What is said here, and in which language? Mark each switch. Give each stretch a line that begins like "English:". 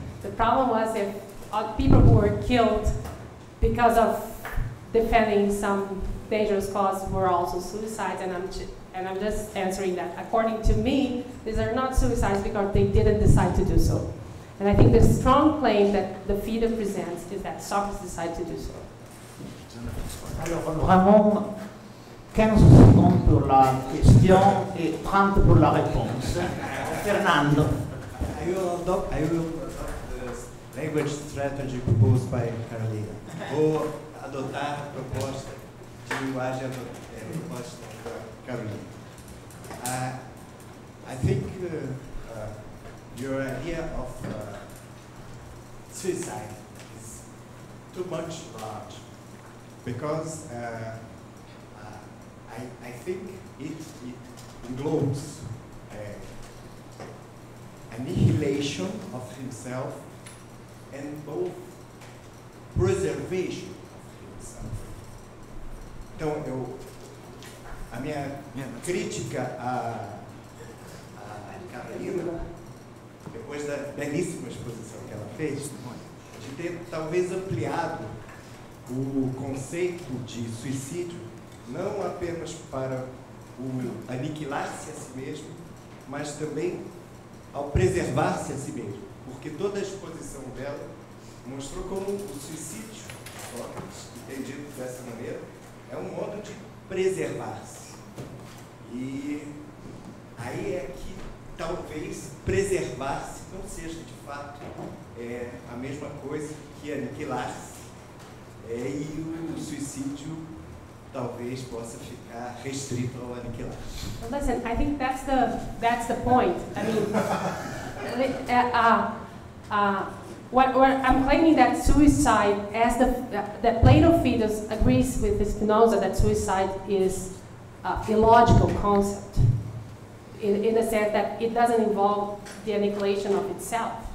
English: The problem was if all people who were killed because of defending some dangerous cause were also suicides, and I'm just answering that. According to me, these are not suicides because they didn't decide to do so. And I think the strong claim that the Phaedo presents is that Socrates decided to do so.
French: Alors, vraiment, 15 secondes pour la question et 30 pour la réponse. Fernando.
English: I will adopt the language strategy proposed by Carolina.
Portuguese: Vou adotar a proposta de linguagem proposta da Carolina.
English: I think your idea of suicide is too much large, because I think it englobes annihilation of himself and both preservation of himself.
Portuguese: Então eu a minha crítica à Carolina, depois da belíssima exposição que ela fez, de ter talvez ampliado o conceito de suicídio, não apenas para o aniquilar-se a si mesmo, mas também ao preservar-se a si mesmo. Porque toda a exposição dela mostrou como o suicídio, entendido dessa maneira, é um modo de preservar-se. E aí é que talvez preservar-se não seja de fato a mesma coisa que aniquilar-se. E o suicídio talvez possa ficar restrito ao aniquilar.
English: Well, listen, I think that's the point. I mean, what I'm claiming that suicide, as the Plato Phaedus agrees with Spinoza that suicide is illogical concept in the sense that it doesn't involve the annihilation of itself.